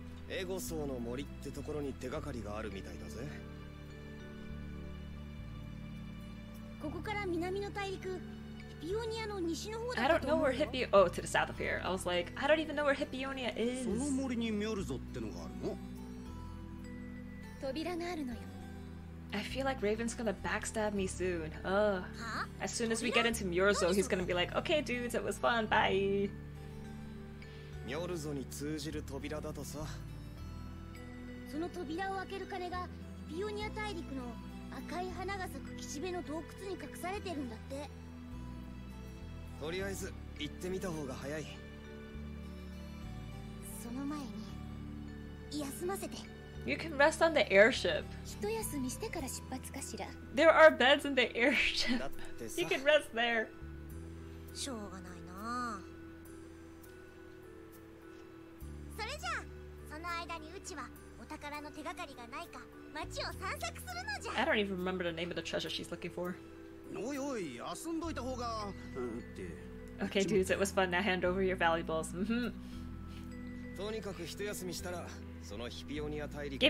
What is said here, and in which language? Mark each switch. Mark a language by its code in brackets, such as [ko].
[ja] エゴソーの森ってところに手がかりがあるみたいだぜ。ここから南の大陸。 [en] I don't know where Hippio- Oh, to the south of here. I was like, I don't even know where Hippionia is. [ja] その森にミョルゾってのがあるの？扉があるのよ。 [en] I feel like Raven's gonna backstab me soon. As soon as we get into Myorzo, he's gonna be like, Okay, dudes, it was fun. Bye. [ja] ミョルゾに通じる扉だとさ。その扉を開ける金が、Hippionia 大陸の赤い花が咲く岸辺の洞窟に隠されてるんだって。とりあえず行ってみた方が早い。その前に休ませて。 [en] You can rest on the airship. [ja] 一休みしてから出発かしら。 [en] There are beds in the airship. You can rest there. [ja] しょうがないな。それじゃあその間にうちはお宝の手がかりがないか街を散策するのじゃ。 [en] I don't even remember the name of the treasure she's looking for. [ja] おいおい、休んどいた方が、って。 [en] Okay, dudes, it was fun. Now hand over your valuables. [ja] とにかく一休みしたら、そのヒピオニア大陸の